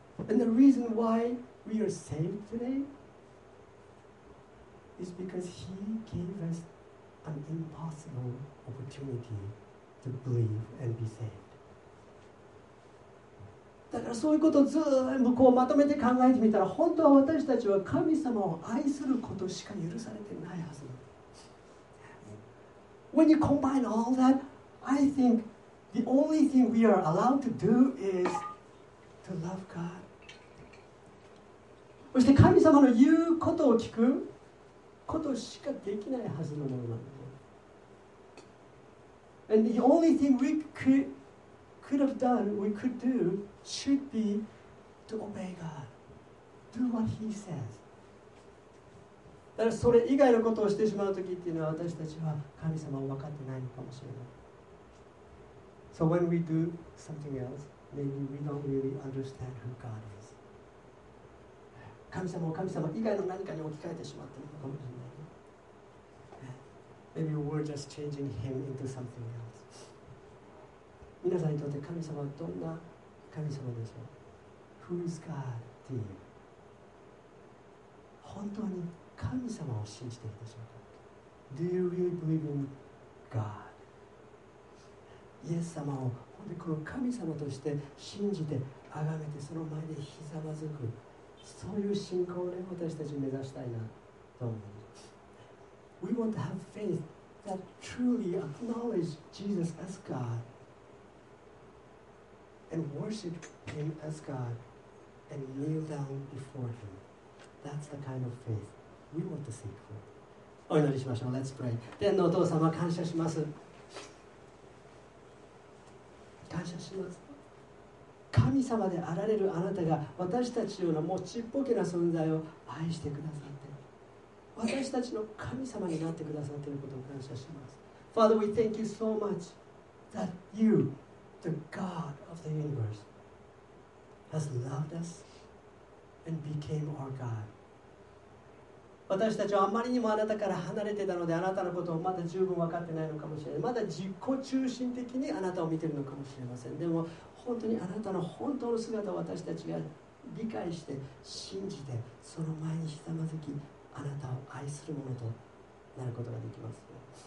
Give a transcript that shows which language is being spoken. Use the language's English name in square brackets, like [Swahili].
[English] And the reason why we are saved today is because He gave us an impossible opportunity to believe and be saved. [Japanese] だからそういうことを全部こうまとめて考えてみたら、本当は私たちは神様を愛することしか許されてないはず。 [English] When you combine all that, I think the only thing we are allowed to do is to love God. [Japanese] そして神様の言うことを聞くことしかできないはずのものなんです。 [English] And the only thing we could have done, we could do, should be to obey God. Do what He says. [Japanese] だからそれ以外のことをしてしまうときっていうのは私たちは神様を分かってないのかもしれない。 [English] So when we do something else, maybe we don't really understand who God is. [Japanese] 神様を神様以外の何かに置き換えてしまっているのかもしれない。 [English] Maybe we're just changing him into something else. [Japanese] 皆さんにとって神様はどんな神様でしょう。 [English] Who is God to you? [Japanese] 本当に神様を信じているでしょうか。 [English] Do you really believe in God? [Japanese] イエス様を本当にこの神様として信じて崇めてその前でひざまずく、そういう信仰を、ね、私たち目指したいなと思います。 [English] We want to have faith that truly acknowledges Jesus as God and worship Him as God and kneel down before Him. That's the kind of faith we want to seek for. [Japanese] お祈りしましょう。 [English] Let's pray. [Japanese] 天のお父様、感謝します。感謝します。神様であられるあなたが私たちようなもうちっぽけな存在を愛してくださって、私たちの神様になってくださっていることを感謝します。 [English] Father, we thank you so much that you, the God of the universe, has loved us and became our God. [Japanese] 私たちはあまりにもあなたから離れていたので、あなたのことをまだ十分分かってないのかもしれない。まだ自己中心的にあなたを見ているのかもしれません。でも本当にあなたの本当の姿を私たちが理解して、信じて、その前にひざまずき、あなたを愛するものとなることができます。